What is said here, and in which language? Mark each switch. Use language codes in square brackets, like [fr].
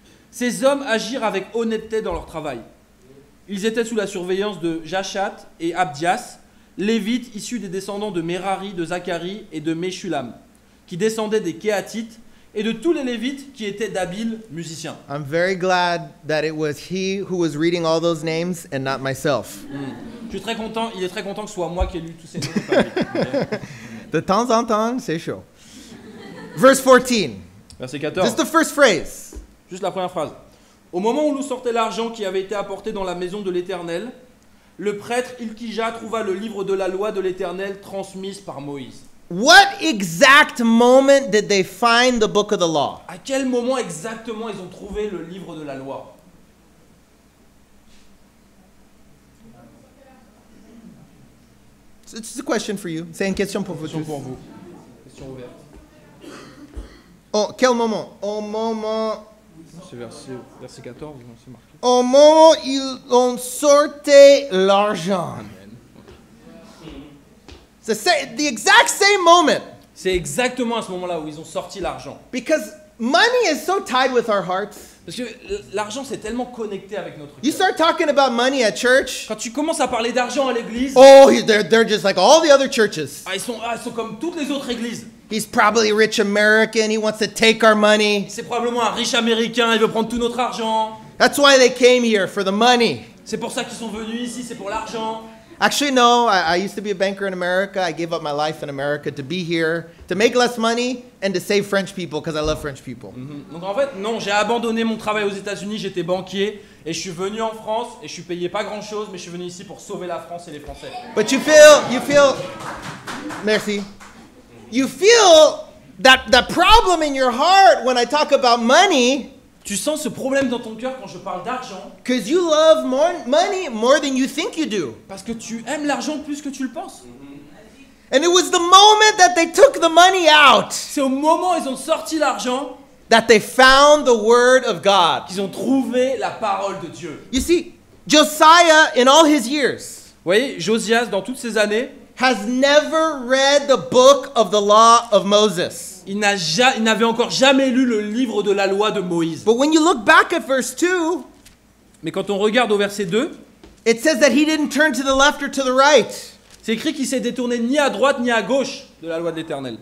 [fr] Ces hommes agirent avec honnêteté dans leur travail. Ils étaient sous la surveillance de Jachat et Abdias, lévites issus des descendants de Merari, de Zacharie et de Meshulam, qui descendaient des Kéatites, et de tous les lévites qui étaient d'habiles musiciens. [en] I'm very glad that it was he who was reading all those names and not myself. [fr] Je suis très content, il est très content que ce soit moi qui ai lu tous ces noms. De temps en temps, c'est chaud. [en] Verse 14. [fr] Verset 14. [en] This is the first phrase. [fr] Juste la première phrase. Au moment où l'on sortait l'argent qui avait été apporté dans la maison de l'Éternel, le prêtre Hilkija trouva le livre de la loi de l'Éternel transmise par Moïse. [en] What exact moment did they find the book of the law? [fr] À quel moment exactement ils ont trouvé le livre de la loi? [en] It's a question for you. [fr] C'est une question pour vous. Question pour vous. Question ouverte. Oh, quel moment? Au moment... C'est verset 14, c'est marqué. Au moment où ils ont sorti l'argent. C'est [en] the exact same moment. [fr] C'est exactement à ce moment-là où ils ont sorti l'argent. [en] Because money is so tied with our hearts. [fr] Parce que l'argent c'est tellement connecté avec notre cœur. [en] You start talking about money at church. [fr] Quand tu commences à parler d'argent à l'église. [en] Oh, they're just like all the other churches. [fr] Ils sont comme toutes les autres églises. [en] He's probably a rich American. He wants to take our money. [fr] C'est probablement un riche américain. Il veut prendre tout notre argent. [en] That's why they came here for the money. [fr] C'est pour ça qu'ils sont venus ici. C'est pour l'argent. [en] Actually, no. I used to be a banker in America. I gave up my life in America to be here, to make less money and to save French people because I love French people. Mm-hmm. [fr] Donc en fait, non, j'ai abandonné mon travail aux États-Unis. J'étais banquier et je suis venu en France et je suis payé pas grand-chose, mais je suis venu ici pour sauver la France et les Français. [en] But you feel. Merci. You feel that the problem in your heart when I talk about money. [fr] Tu sens ce problème dans ton cœur quand je parle d'argent. [en] Because you love money more than you think you do. [fr] Parce que tu aimes l'argent plus que tu le penses. [en] And it was the moment that they took the money out. [fr] C'est au moment où ils ont sorti l'argent. [en] That they found the word of God. [fr] Qu'ils ont trouvé la parole de Dieu. [en] You see, Josiah in all his years. [fr] Vous voyez, Josias dans toutes ses années. [en] Has never read the book of the law of Moses. [fr] Il n'avait encore jamais lu le livre de la loi de Moïse. [en] But when you look back at verse 2, [fr] mais quand on regarde au verset 2, [en] it says that he didn't turn to the left or to the right. [fr] C'est écrit qu'il s'est détourné ni à droite ni à gauche de la loi de l'Éternel.